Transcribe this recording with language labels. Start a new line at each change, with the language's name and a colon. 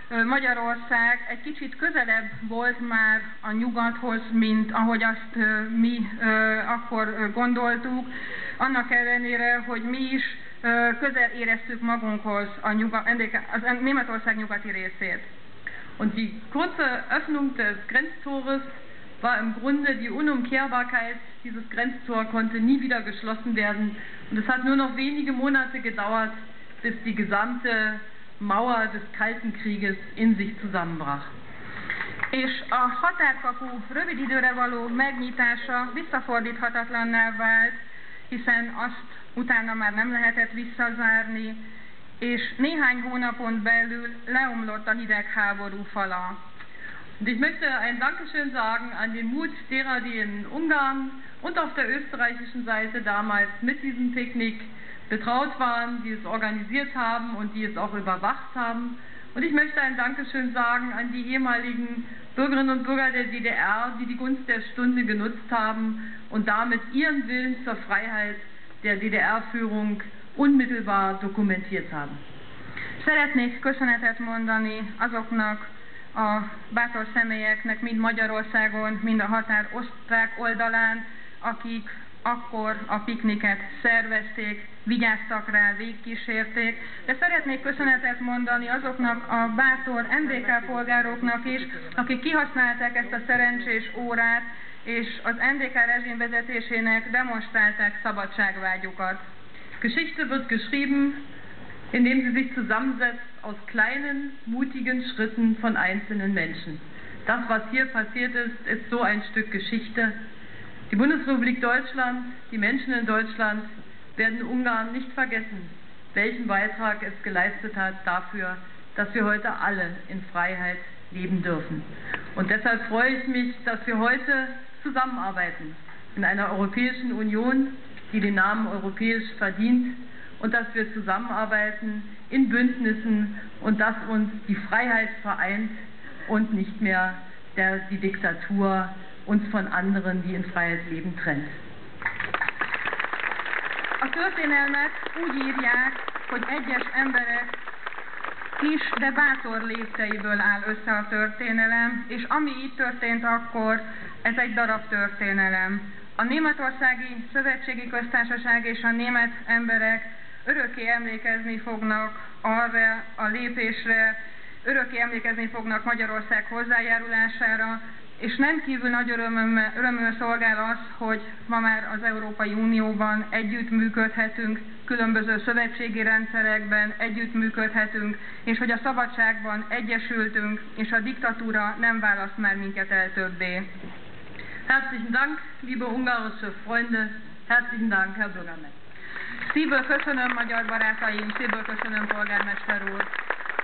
Hungarian: Magyarország egy kicsit közelebb volt már a nyugathoz, mint ahogy azt mi akkor gondoltuk, annak ellenére, hogy mi is közel éreztük magunkhoz a Németország nyugati részét.
German: Und die kurze Öffnung des Grenztores war im Grunde die Unumkehrbarkeit, dieses Grenztor konnte nie wieder geschlossen werden und es hat nur noch wenige Monate gedauert, bis die gesamte Mauer des Kalten Krieges in sich zusammenbrach.
Hungarian: És a határkapu rövid időre való megnyitása visszafordíthatatlanná vált, hiszen azt utána már nem lehetett visszazárni, és néhány hónapon belül leomlott a hidegháború fala.
German: Und ich möchte ein Dankeschön sagen an den Mut derer, die in Ungarn und auf der österreichischen Seite damals mit diesem Picknick betraut waren, die es organisiert haben und die es auch überwacht haben. Und ich möchte ein Dankeschön sagen an die ehemaligen Bürgerinnen und Bürger der DDR, die die Gunst der Stunde genutzt haben und damit ihren Willen zur Freiheit der DDR-Führung unmittelbar dokumentiert haben.
Hungarian: Szeretnék köszönetet mondani azoknak a bátor személyeknek, mind Magyarországon, mind a határ osztrák oldalán, akik akkor a pikniket szervezték, vigyáztak rá, végkísérték. De szeretnék köszönetet mondani azoknak a bátor NDK polgároknak is, akik kihasználták ezt a szerencsés órát, és az NDK rezsim vezetésének demonstrálták szabadságvágyukat.
German: Geschichte wird geschrieben, indem sie sich zusammensetzt aus kleinen, mutigen Schritten von einzelnen Menschen. Das, was hier passiert ist, ist so ein Stück Geschichte. Die Bundesrepublik Deutschland, die Menschen in Deutschland werden Ungarn nicht vergessen, welchen Beitrag es geleistet hat dafür, dass wir heute alle in Freiheit leben dürfen. Und deshalb freue ich mich, dass wir heute zusammenarbeiten in einer Europäischen Union, die den Namen europäisch verdient und dass wir zusammenarbeiten in Bündnissen und dass uns die Freiheit vereint und nicht mehr die Diktatur uns von anderen, die in Freiheit leben, trennt.
Hungarian: A történelmet úgy írják, hogy egyes emberek kis, de bátor lépteiből áll össze a történelem, és ami itt történt akkor, ez egy darab történelem. A Németországi Szövetségi Köztársaság és a német emberek örökké emlékezni fognak arra a lépésre, örökké emlékezni fognak Magyarország hozzájárulására, és nem kívül nagy örömmel szolgál az, hogy ma már az Európai Unióban együttműködhetünk, különböző szövetségi rendszerekben együttműködhetünk, és hogy a szabadságban egyesültünk, és a diktatúra nem választ már minket el többé.
German: Herzlichen Dank, liebe ungarische Freunde, herzlichen Dank, Herr Bürgermeister.
Hungarian: Szívből köszönöm, magyar barátaim, szívből köszönöm, polgármester úr.